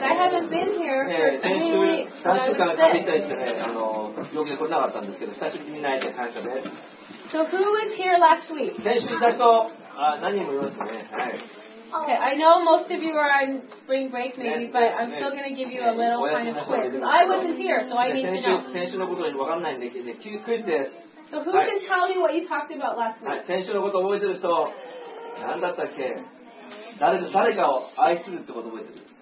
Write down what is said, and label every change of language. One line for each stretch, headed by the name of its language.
English: I haven't been here for 3 weeks.
Japanese: 3週間来たいってね、病気で来れなかったんですけど、久しぶりに会えて感謝です。
English: So who was here last week?
Japanese: 先週いた人、何人もいますね。はい。
English: Okay, I know most of you are on spring break maybe, but I'm still going to give you a little kind of quiz. I wasn't here, so I need to know.
Japanese: 先週のことは分かんないんで、クイズです。
English: So who can tell me what you talked about last week?
Japanese: 先週のこと覚えてる人、何だったっけ?誰かを愛するってこと覚えてる?